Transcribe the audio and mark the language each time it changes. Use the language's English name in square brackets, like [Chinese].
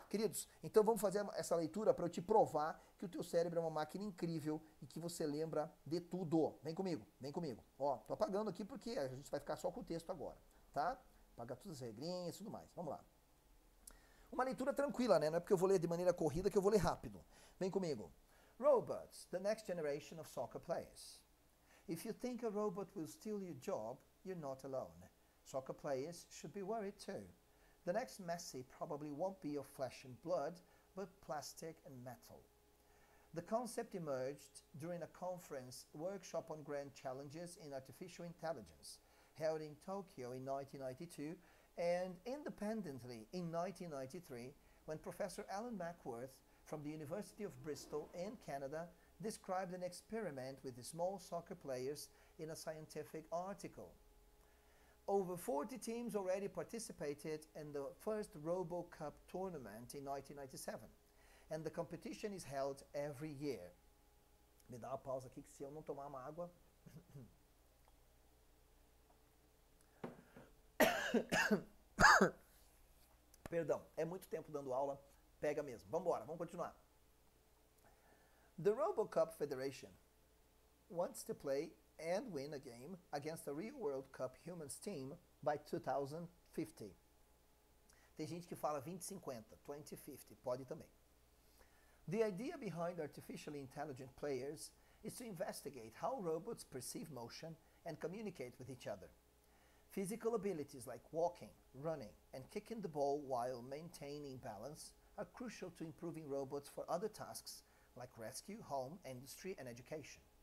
[Portuguese] Queridos, então vamos fazer essa leitura para eu te provar que o teu cérebro é uma máquina incrível e que você lembra de tudo. Vem comigo, vem comigo. Ó, tô apagando aqui porque a gente vai ficar só com o texto agora, tá? Apagar todas as regrinhas e tudo mais. Vamos lá. Uma leitura tranquila, né? Não é porque eu vou ler de maneira corrida que eu vou ler rápido. Vem comigo. [English] Robots, the next generation of soccer players. If you think a robot will steal your job, you're not alone. Soccer players should be worried too. The next Messi probably won't be of flesh and blood, but plastic and metal. The concept emerged during a conference workshop on grand challenges in artificial intelligence, held in Tokyo in 1992 and independently in 1993, when Professor Alan Mackworth from the University of Bristol in Canada described an experiment with the small soccer players in a scientific article. Over 40 teams already participated in the first RoboCup tournament in 1997, and the competition is held every year. [Portuguese] Me dá uma pausa aqui que se eu não tomar uma água. Perdão, é muito tempo dando aula, pega mesmo. Vamos embora, vamos continuar. [English] The RoboCup Federation wants to play and win a game against a real World Cup Humans team by 2050. [Portuguese] Tem gente que fala 2050, 2050, pode também. [English] The idea behind artificially intelligent players is to investigate how robots perceive motion and communicate with each other. Physical abilities like walking, running, and kicking the ball while maintaining balance are crucial to improving robots for other tasks like rescue, home, industry, and education.